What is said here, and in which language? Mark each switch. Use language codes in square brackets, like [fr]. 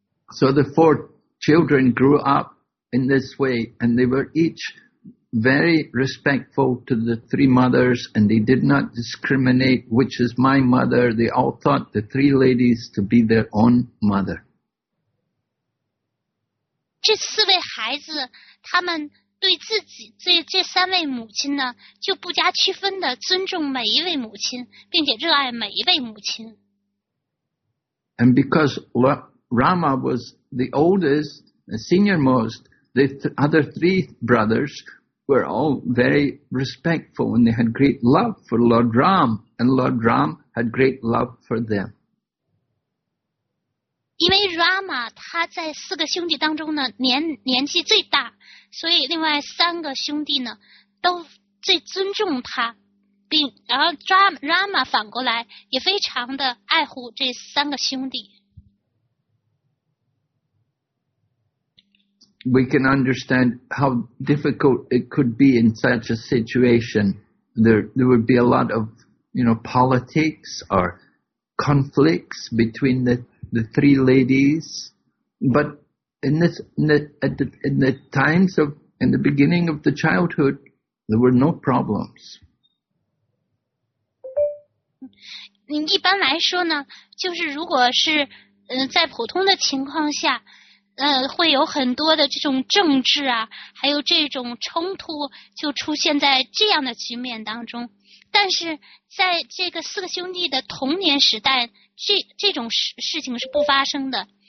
[en] So the four children grew up in this way, and they were each very respectful to the three mothers, and they did not discriminate which is my mother. They all thought the three ladies to be their own mother. [zh] 这四位孩子，他们对自己这三位母亲呢，就不加区分的尊重每一位母亲，并且热爱每一位母亲。 [en] And because Rama was the oldest, the senior most, the other three brothers. Were all very respectful, and they had great love for Lord Ram, and Lord Ram had great love for them. [zh] 因为 Rama 他在四个兄弟当中呢年纪最大，所以另外三个兄弟呢都最尊重他，并然后 Rama 反过来也非常的爱护这三个兄弟。 [en] We can understand how difficult it could be in such a situation. There would be a lot of, you know, politics or conflicts between the three ladies. But in the beginning of the childhood, there were no problems. [zh] 一般来说呢，就是如果是在普通的情况下。会有很多的这种政治啊，还有这种冲突就出现在这样的局面当中。但是在这个四个兄弟的童年时代，这种事情是不发生的。